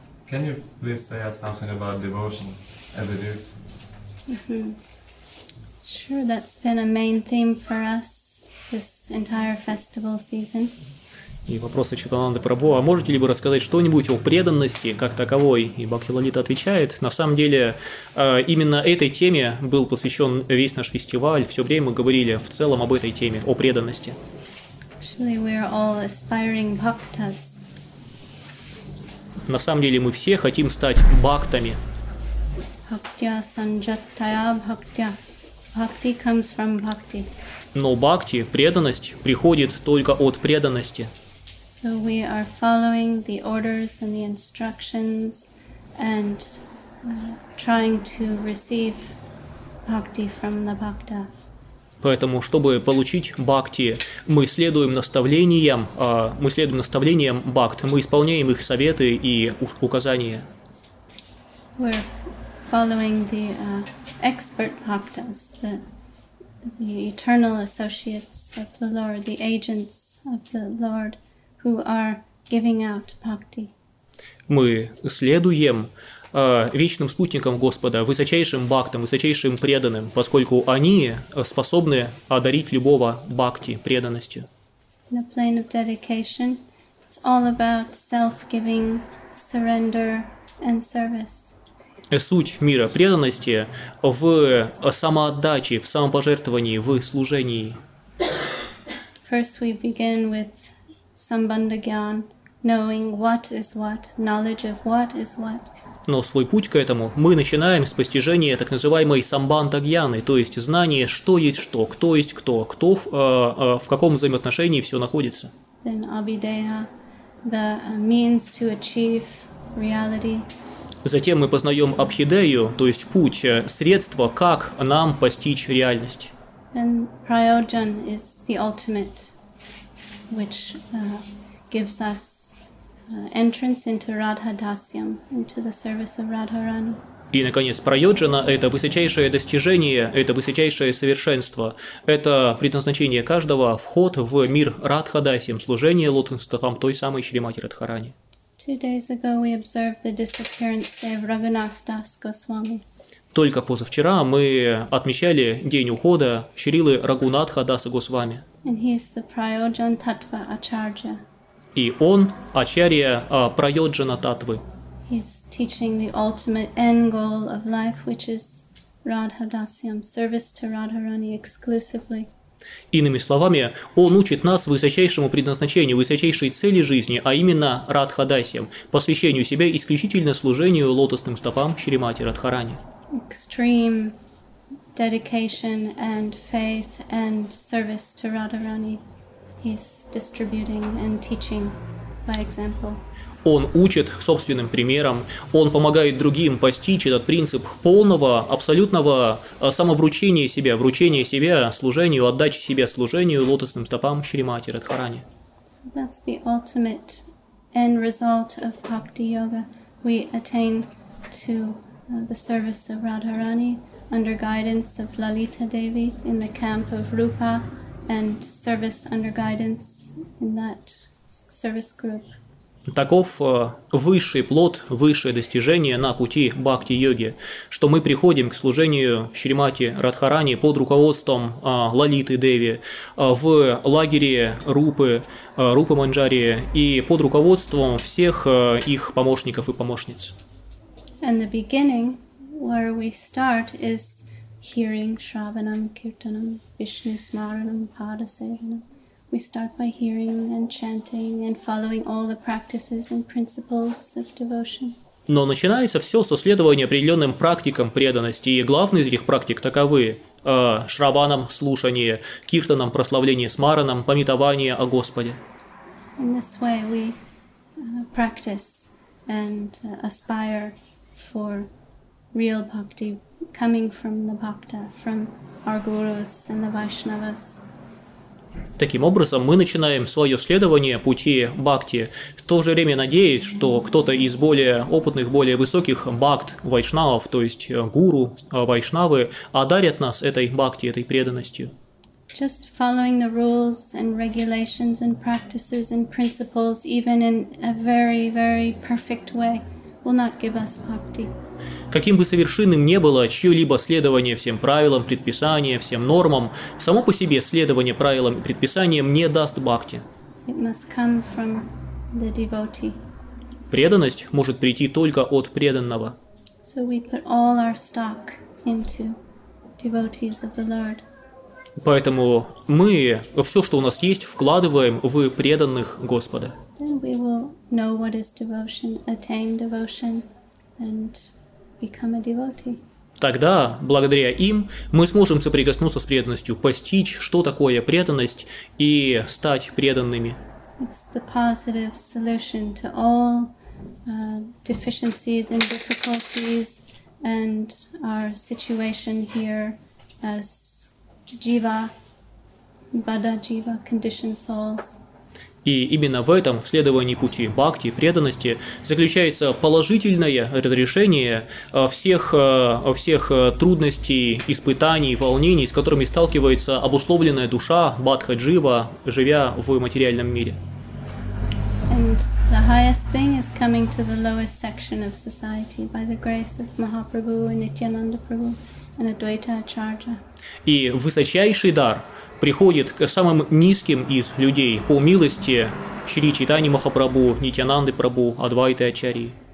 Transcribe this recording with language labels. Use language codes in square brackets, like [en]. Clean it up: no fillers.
[en] Can you please say us something about devotion as it is? Sure, that's been a main theme for us this entire festival season. [ru] И вопросы Чайтананды Прабху. А можете ли вы рассказать что-нибудь о преданности как таковой? И Бхакти Лалита отвечает. На самом деле, именно этой теме был посвящен весь наш фестиваль. Все время мы говорили в целом об этой теме, о преданности. [en] Actually, we are all aspiring bhaktas. [ru] На самом деле, мы все хотим стать бхактами. [sa] Bhaktya sanjataya bhaktya. [en] Bhakti comes from bhakti. [ru] Но бхакти, преданность, приходит только от преданности. [en] So we are following the orders and the instructions and trying to receive bhakti from the bhakta. [ru] Поэтому, чтобы получить бхакти, мы следуем наставлениям, бхакт, мы исполняем их советы и указания. [en] We're following the expert bhaktas, the eternal associates of the Lord, the agents of the Lord. Who are giving out bhakti. [ru] мы следуем вечным спутникам Господа, высочайшим бхактам, высочайшим преданным, поскольку они способны одарить любого бхакти преданностью. [en] The plane of dedication, it's all about self-giving, surrender and service. [ru] Суть мира преданности в самоотдаче, в самопожертвовании, в служении. [en] First we begin with sambandha gyan, knowing what is what, knowledge of what is what. [ru] Но свой путь к этому мы начинаем с постижения так называемой самбандагьяны, то есть знания, что есть что, кто есть кто, кто в каком взаимоотношении все находится. [en] Then abhideha, the means to achieve reality. [ru] Затем мы познаем абхидею, то есть путь, средство, как нам постичь реальность. [en] Then prayojan is the ultimate, which gives us entrance into Radha Dasyam, into the service of Radharani. [ru] И, наконец, прайоджана — это высочайшее достижение, это высочайшее совершенство, это предназначение каждого — вход в мир Радха Дасьям, служение лотосным стопам той самой Шримати Радхарани. [en] Two days ago we observed the disappearance day of Raghunath Das Goswami. [ru] Только позавчера мы отмечали день ухода Шрилы Рагунатха Даса Госвами. [en] And he is the прайоджан татва ачарджа. [ru] И он – ачарья прайоджана татвы. [en] He's teaching the ultimate end goal of life, which is Radha Dasyam, service to Radharani exclusively. [ru] Иными словами, он учит нас высочайшему предназначению, высочайшей цели жизни, а именно Радха Дасьям, посвящению себя исключительно служению лотосным стопам Шримати Радхарани. [en] Extreme dedication and faith and service to Radharani. He's distributing and teaching by example. [ru] Он учит собственным примером, он помогает другим постичь этот принцип полного, абсолютного самовручения себя служению, отдачи себя служению лотосным стопам Шримати Радхарани. [en] So that's the ultimate end result of Bhakti Yoga. We attain to the service of Radharani under guidance of Lalita Devi in the camp of Rupa. And service under guidance in that service group. [ru] Таков высший плод, высшее достижение на пути бхакти-йоги, что мы приходим к служению Шримати Радхарани под руководством Лалиты Деви в лагере Рупы, Рупы Манджари и под руководством всех их помощников и помощниц. [en] And the beginning, where we start, is hearing Shravanam, Kirtanam, Vishnu Smaranam, Pada Sevanam. We start by hearing and chanting and following all the practices and principles of devotion. [ru] Но начинается все со следования определенным практикам преданности, и главные из этих практик таковы: Шраванам – слушание, Киртанам – прославление, Смаранам – памятование о Господе. [en] In this way we practice and aspire for real bhakti, coming from the bhakta, from our gurus and the Vaishnavas. [ru] Таким образом, мы начинаем свое следование пути бхакти, в то же время надеясь, что кто-то из более опытных, более высоких бхакт вайшнавов, то есть гуру вайшнавы, одарят нас этой бхакти, этой преданностью. [en] Just following the rules and regulations and practices and principles, even in a very, very perfect way, will not give us bhakti. [ru] Каким бы совершенным ни было чье-либо следование всем правилам, предписаниям, всем нормам, само по себе следование правилам и предписаниям не даст бхакти. [en] It must come from the devotee. [ru] Преданность может прийти только от преданного. [en] So we put all our stock into devotees of the Lord. [ru] Поэтому мы все, что у нас есть, вкладываем в преданных Господа. [en] Then we will know what is devotion, attain devotion, and become a devotee. [ru] Тогда, благодаря им, мы сможем соприкоснуться с преданностью, постичь, что такое преданность, и стать преданными. [en] It's the positive solution to all deficiencies and difficulties and our situation here as jiva, bada jiva, conditioned souls. [ru] И именно в этом, в следовании пути бхакти, преданности, заключается положительное разрешение всех трудностей, испытаний, волнений, с которыми сталкивается обусловленная душа, бадха-джива, живя в материальном мире. A [en] And the highest thing is coming to the lowest section of society by the grace of Mahaprabhu and Nityananda Prabhu and Advaita Acharya. [ru] И высочайший дар приходит к самым низким из людей по милости Шри Чайтаньи Махапрабху, Нитьянанды Прабху, Адвайты Ачарьи.